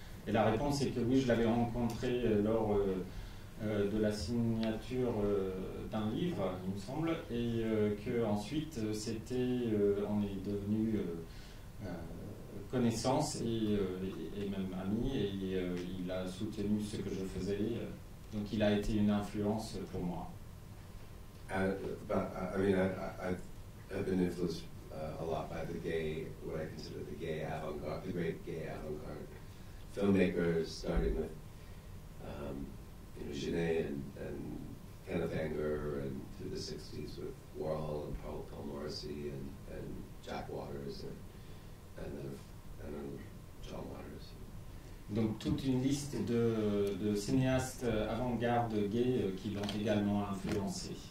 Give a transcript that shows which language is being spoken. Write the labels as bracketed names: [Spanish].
[French] Et la réponse est que oui, je l'avais rencontré lors de la signature d'un livre, il me semble, et que ensuite c'était, on est devenu connaissance et même ami, et il a soutenu ce que je faisais. Donc il a été une influence pour moi. [English] I've been influenced a lot by the gay, what I consider the gay avant-garde, the great gay avant-garde filmmakers, starting with Genet and Kenneth Anger, and through the 60s with Warhol and Paul Morrissey and Jack Waters and John Waters. [French] Donc toute une liste de cinéastes avant-garde gays qui l'ont également influencé.